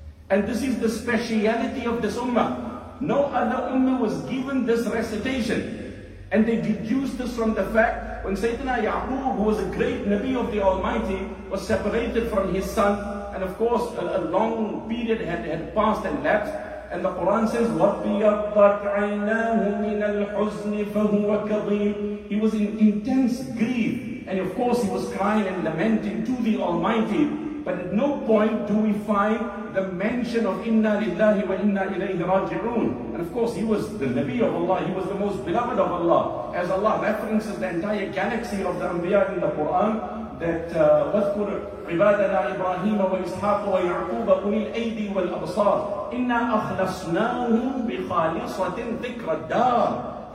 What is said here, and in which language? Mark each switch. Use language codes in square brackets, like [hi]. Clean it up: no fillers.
[en] And this is the speciality of this ummah. No other ummah was given this recitation. And they deduced this from the fact when Sayyidina Ya'qub, who was a great Nabi of the Almighty, was separated from his son. And of course, a long period had passed and lapsed. And the Quran says, [ar] وَبِيَضَّتْ عَيْنَاهُ مِنَ الْحُزْنِ فَهُوَ كَظِيمٌ. [en] He was in intense grief. And of course, he was crying and lamenting to the Almighty. But at no point do we find the mention of Inna Lillahi wa Inna Ilayhi Raji'un. And of course, he was the Nabi of Allah. He was the most beloved of Allah. As Allah references the entire galaxy of the Anbiya in the Quran, that [ar] وَذْكُرْ عِبَادَنَا إِبْرَاهِيمَ وَإِسْحَاقَ وَيَعْقُوبَ أُولِي الْأَيْدِي وَالْأَبْصَارِ إِنَّا أَخْلَصْنَاهُمْ بِخَالِصَةٍ ذِكْرَ الدَّارِ.